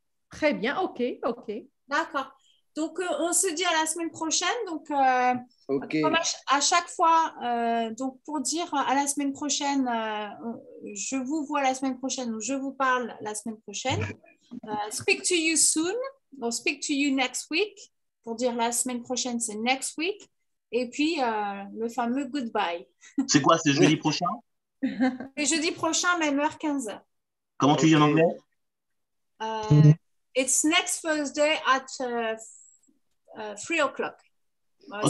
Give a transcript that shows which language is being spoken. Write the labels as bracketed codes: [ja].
[fr] Très bien, ok. D'accord. Donc, on se dit à la semaine prochaine. Donc, okay. Comme à chaque fois, donc pour dire à la semaine prochaine, je vous vois la semaine prochaine ou je vous parle la semaine prochaine. [en] Speak to you soon or speak to you next week. [fr] Pour dire la semaine prochaine, c'est next week. Et puis, le fameux goodbye. C'est quoi? C'est jeudi prochain? C'est jeudi prochain, même heure, 15h. Comment tu dis en anglais? [en] It's next Thursday at 3 o'clock. Okay.